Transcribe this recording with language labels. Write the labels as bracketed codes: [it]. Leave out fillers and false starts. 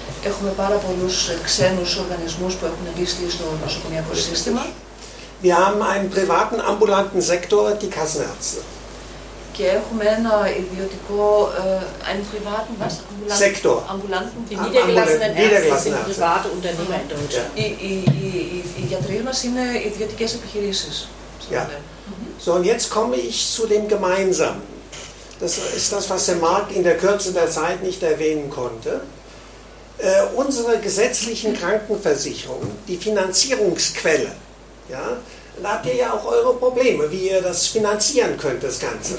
[el] Έχουμε πάρα πολλούς ξένους οργανισμούς που έχουν εμπιστεί στο νοσοκομιακό σύστημα. [de] Wir haben einen privaten ambulanten Sektor, die Kassenärzte. [el] Και έχουμε ένα ιδιωτικό, [de] einen privaten was? Sektor. Ambulanten, die niedergelassenen Ärzte, sind private Unternehmer in Deutschland. [el] Οι γιατροί μας είναι ιδιωτικές επιχειρήσεις. [de] Ja. So, und jetzt komme ich zu dem Gemeinsamen. Das ist das, was der Mark in der Kürze der Zeit nicht erwähnen konnte. Unsere gesetzlichen Krankenversicherungen, die Finanzierungsquelle, ja, da habt ihr ja auch eure Probleme, wie ihr das finanzieren könnt, das Ganze.